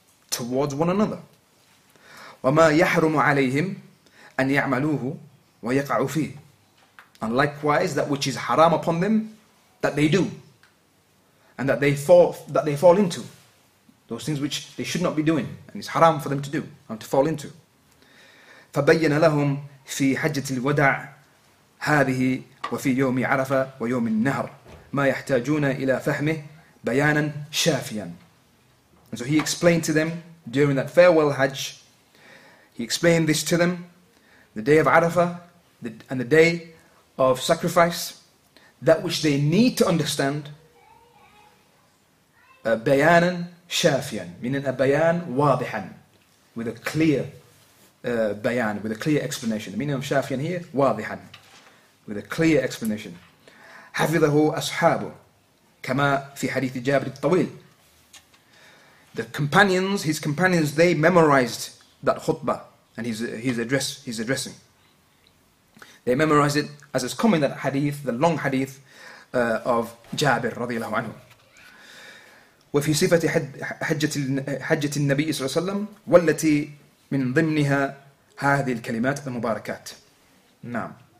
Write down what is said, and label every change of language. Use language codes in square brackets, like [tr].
[en] Towards one another. [ar] وَمَا يَحْرُمُ عَلَيْهِمْ أَنْ يَعْمَلُوهُ وَيَقَعُوا فِيهِ. [en] And likewise, that which is haram upon them, that they do. And that they fall into. Those things which they should not be doing. And it's haram for them to do and to fall into. [ar] فَبَيَّنَ لَهُمْ فِي حَجَّةِ الْوَدَعِ هذه وفي يوم عرفة ويوم النهر ما يحتاجون إلى فهمه بيانا شافيا. [en] And so he explained to them during that farewell Hajj, he explained this to them, the day of Arafah and the day of sacrifice, that which they need to understand, [ar] بيانا شافيا, [en] meaning a [ar] بيان واضحا, [en] with a clear بيان, with a clear explanation. The meaning of شافيا here, واضحا, with a clear explanation. [ar] حَفِظَهُ أَصْحَابُ كَمَا فِي حَدِيثِ جَابْرِ الطَّوِيلِ. [en] The companions, his companions, they memorized that khutbah and his addressing. They memorized it as is common, that hadith, the long hadith of Jabir radiallahu anhu. [ar] وَفِي صِفَةِ حَجَّةِ النَّبِيِّ صَلَّى اللَّهُ عَلَيْهِ وَسَلَّمَ وَالَّتِي مِنْ ضِمْنِهَا هَذِي الْكَلِمَاتِ الْمُبَارَكَاتِ. نعم.